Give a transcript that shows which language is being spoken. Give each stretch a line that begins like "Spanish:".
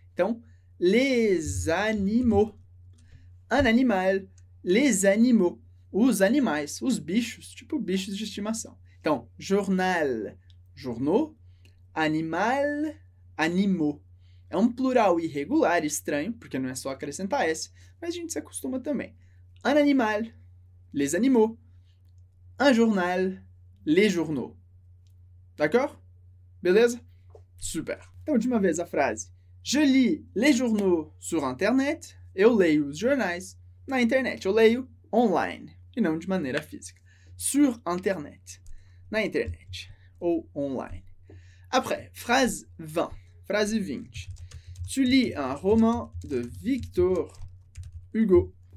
Portuguese: Então,
French: les animaux. Un animal, les animaux,
Portuguese: os animais, os bichos, tipo bichos de estimação. Então, journal, journaux, animal, animaux. É um plural irregular, estranho, porque não é só acrescentar S, mas a gente se acostuma também.
French: Un animal, les animaux, un journal, les journaux. D'accord?
Portuguese: Beleza? Super. Então, de uma vez a frase.
French: Je lis les journaux sur Internet,
Portuguese: eu leio os jornais. Na internet, eu leio online e não de maneira física.
French: Sur internet.
Portuguese: Na internet ou online.
French: Après, phrase 20.
Portuguese: Frase 20.
French: Tu lis un roman de Victor Hugo.